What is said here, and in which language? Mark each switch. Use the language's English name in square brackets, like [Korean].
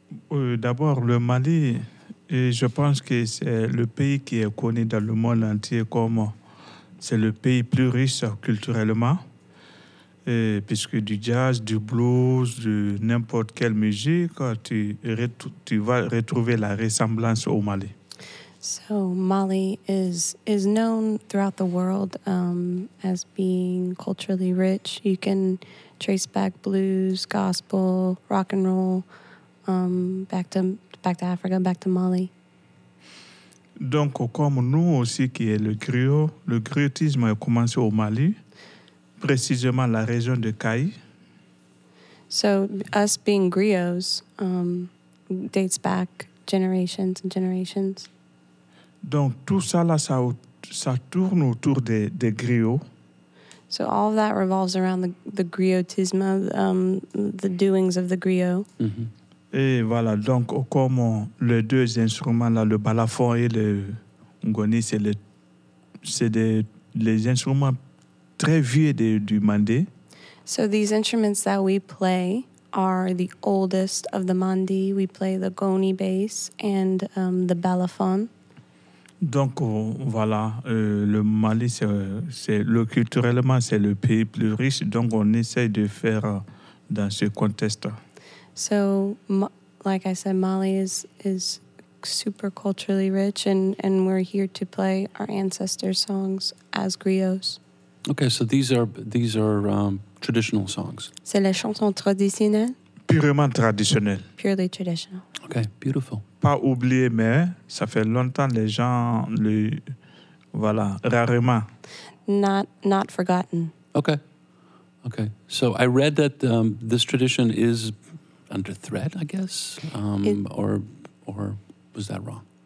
[French] D'abord, le Mali, et je pense que c'est le pays qui est connu dans le monde entier comme c'est le pays plus riche culturellement, et puisque du jazz, du blues, de n'importe quelle musique, tu vas retrouver la ressemblance au Mali. [English] So Mali is known throughout the world as being culturally rich. You can trace back blues, gospel, rock and roll back to Africa, back to Mali. [French] Donc comme nous aussi qui est le griotisme a commencé au Mali, précisément la région de Kayes. [English] So us being griots dates back generations and generations. [French] Donc tout ça là, ça tourne autour des griots. [English] So all of that revolves around the griotisme, the doings of the griot. Mm-hmm. [French] Et voilà, donc comme les deux instruments là, le balafon et le ngoni, c'est les instruments très vieux du mandé. [English] So these instruments that we play are the oldest of the mandi. We play the goni bass and the balafon. [French] Donc voilà, le Mali, c'est culturellement, c'est le pays plus riche. Donc on essaie de faire dans ce contexte. [English] So, like I said, Mali is super culturally rich, and we're here to play our ancestors' songs as griots. Okay, so these are traditional songs. [French] C'est les chansons traditionnelles. Purement traditionnelles. [English] Purely traditional. Okay, beautiful. [French] Pas oublié, mais ça fait longtemps les gens le voilà rarement. [English] Not forgotten. Okay. So I read that this tradition is under threat, I guess, or was that wrong?